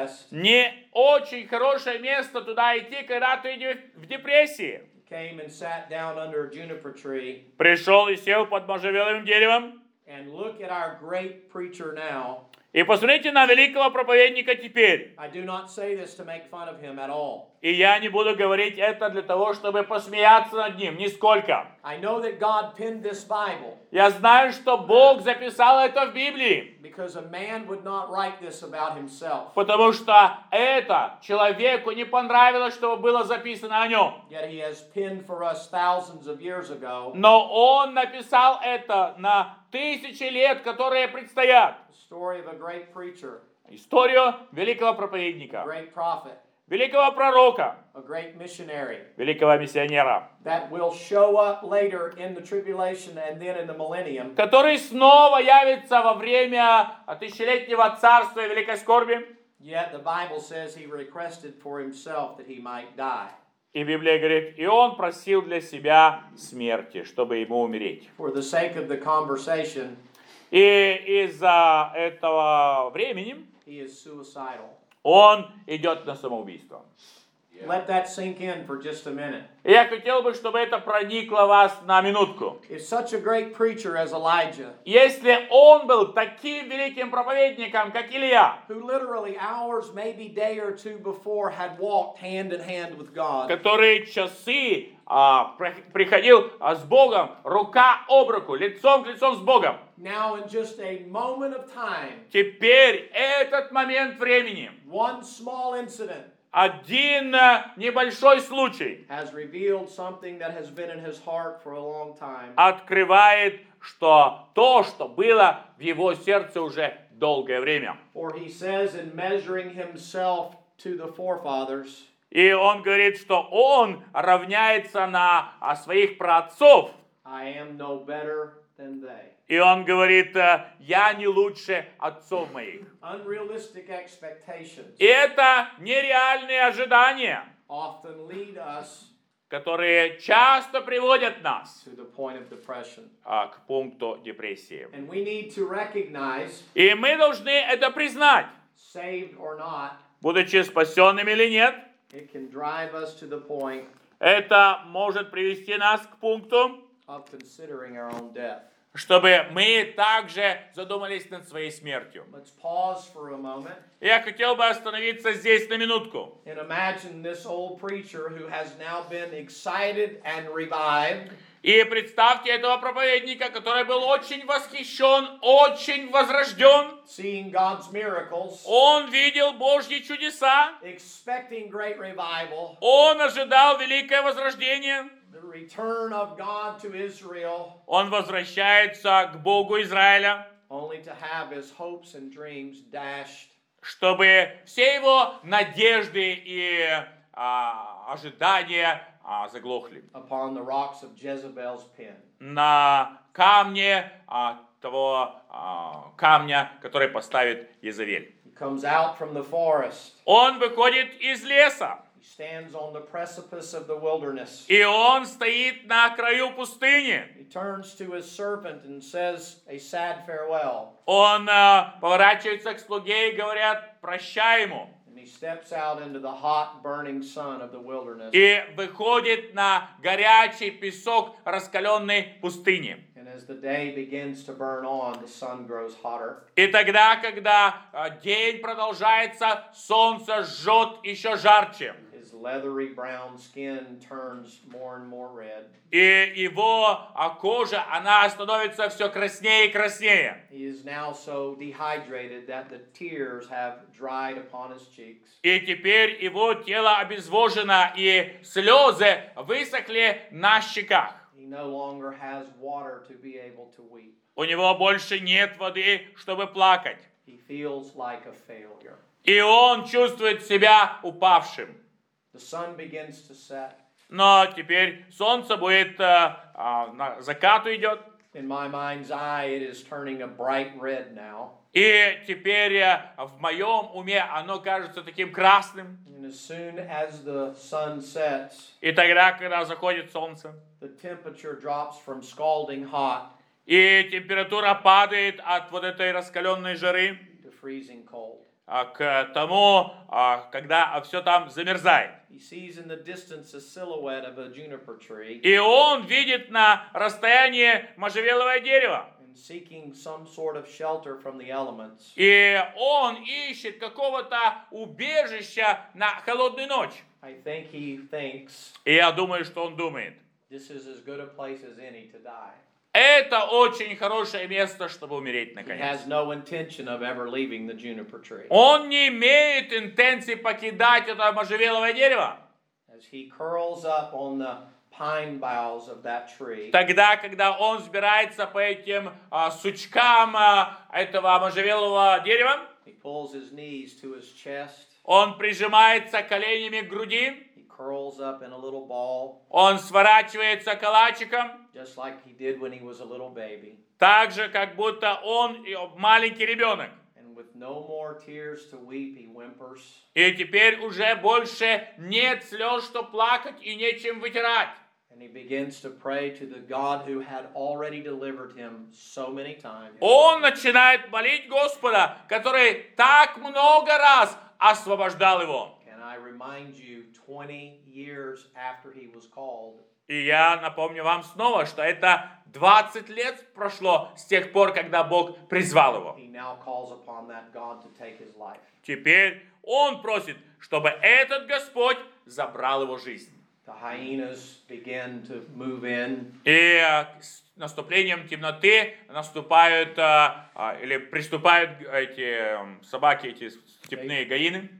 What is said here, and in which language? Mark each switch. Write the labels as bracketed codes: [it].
[ru] Не очень хорошее место туда идти, когда ты в депрессии. [en] Came and sat down under a juniper tree. [ru] Пришел и сел под можжевеловым деревом. [en] And look at our great preacher now. [ru] И посмотрите на великого проповедника теперь. [en] I do not say this to make fun of him at all. [ru] И я не буду говорить это для того, чтобы посмеяться над ним, нисколько. [en] I know that God penned this Bible. [ru] Я знаю, что Бог записал это в Библии. [en] Because a man would not write this about himself. [ru] Потому что это человеку не понравилось, чтобы было записано о нем. [en] Yet he has penned for us thousands of years ago. [ru] Но он написал это на тысячи лет, которые предстоят. [en] Story of a great preacher. [ru] Историю великого проповедника. [en] Great prophet. [ru] Великого пророка. [en] A great missionary. [ru] Великого миссионера. [en] That will show up later in the tribulation and then in the millennium. [ru] Который снова явится во время тысячелетнего царства и великой скорби. [en] Yet the Bible says he requested for himself that he might die. [ru] И Библия говорит, и он просил для себя смерти, чтобы ему умереть. [en] For the sake of the conversation. [ru] И из-за этого времени [en] he is suicidal. [ru] Он идет на самоубийство. [en] Yeah. Let that sink in for just a minute. [ru] Я хотел бы, чтобы это проникло вас на минутку. [en] If such a great preacher as Elijah, [ru] если он был таким великим проповедником, как Илья, [en] who literally hours, maybe day or two before had walked hand in hand with God, [ru] который часы приходил с Богом рука об руку, лицом к лицу с Богом. [en] Now in just a moment of time, [ru] теперь этот момент времени, [en] one small incident, [ru] один небольшой случай, [en] has revealed something that has been in his heart for a long time, [ru] открывает, что то, что было в его сердце уже долгое время. [en] Or he says in measuring himself to the forefathers. [ru] И он говорит, что он равняется на своих праотцов. [en] I am no better than they. [ru] И он говорит, я не лучше отцов моих. [en] Unrealistic expectations. [ru] И это нереальные ожидания. [en] Often lead us [ru] которые часто приводят нас к пункту депрессии. [en] And we need to recognize, [ru] и мы должны это признать, [en] saved or not, [ru] будучи спасенными или нет, [en] it can drive us to the point, [ru] это может привести нас к пункту, [en] of considering our own death. [ru] Чтобы мы также задумались над своей смертью. [en] Let's pause for a moment. [ru] Я хотел бы остановиться здесь на минутку. [en] And imagine this old preacher who has now been excited and revived. [ru] И представьте этого проповедника, который был очень восхищен, очень возрожден. [en] Seeing God's miracles. [ru] Он видел Божьи чудеса. [en] Expecting great revival. [ru] Он ожидал великое возрождение. [en] The return of God to Israel. [ru] Он возвращается к Богу Израиля. [en] Only to have his hopes and dreams dashed. [ru] Чтобы все его надежды и ожидания заглохли. [en] Upon the rocks of Jezebel's pen. [ru] На камне того камня, который поставит Иезавель. [en] He comes out from the forest. [ru] Он выходит из леса. [en] He stands on the precipice of the wilderness. [ru] И он стоит на краю пустыни. [en] He turns to his servant and says a sad farewell. [ru] Он поворачивается к слуге и говорит: прощай ему. [en] And he steps out into the hot burning sun of the wilderness. [ru] И выходит на горячий песок раскаленной пустыни. [en] And as the day begins to burn on, the sun grows hotter. [ru] И тогда, когда день продолжается, солнце жжет еще жарче. [en] His leathery brown skin turns more and more red. [ru] И его кожа, она становится все краснее и краснее. [en] He is now so dehydrated that the tears have dried upon his cheeks. [ru] И теперь его тело обезвожено, и слезы высохли на щеках. [en] No longer has water to be able to weep. [ru] У него больше нет воды, чтобы плакать. [en] He feels like a failure. [ru] И он чувствует себя упавшим. [en] The sun begins to set. [ru] Но теперь солнце будет на закату идет. [en] In my mind's eye, it is turning a bright red now. [ru] И теперь в моем уме оно кажется таким красным. [en] And as soon as the sun sets. [ru] И тогда, когда заходит солнце. [en] The temperature drops from scalding hot. [ru] И температура падает от вот этой раскаленной жары. [en] To freezing cold. [ru] К тому, когда все там замерзает. [en] He sees in the distance a silhouette of a juniper tree. [ru] И он видит на расстоянии можжевеловое дерево. [en] And seeking some sort of shelter from the elements. [ru] И он ищет какого-то убежища на холодную ночь. [en] I think he thinks. [ru] И я думаю, что он думает. [en] This is as good a place as any to die. [ru] Это очень хорошее место, чтобы умереть наконец. [en] He has no intention of ever leaving the juniper tree. [ru] Он не имеет интенции покидать это можжевеловое дерево. [en] As he curls up on the pine boughs of that tree. [ru] Тогда, когда он взбирается по этим сучкам этого можжевелового дерева, [en] he pulls his knees to his chest. [ru] Он прижимается коленями к груди. [en] Curls up in a little ball. [ru] Он сворачивается калачиком. [en] Just like he did when he was a little baby. [ru] Так же, как будто он маленький ребенок. [en] And with no more tears to weep, he whimpers. [ru] И теперь уже больше нет слез, что плакать и нечем вытирать. [en] And he begins to pray to the God who had already delivered him so many times. [ru] Он начинает молить Господа, который так много раз освобождал его. [en] I remind you 20 years after he was called. [ru] И я напомню вам снова, что это 20 лет прошло с тех пор, когда Бог призвал его. [en] He now calls upon that God to take his life. [ru] Теперь он просит, чтобы этот Господь забрал его жизнь. [en] The hyenas begin to move in. [ru] И с наступлением темноты наступают или приступают эти собаки, эти степные гаины.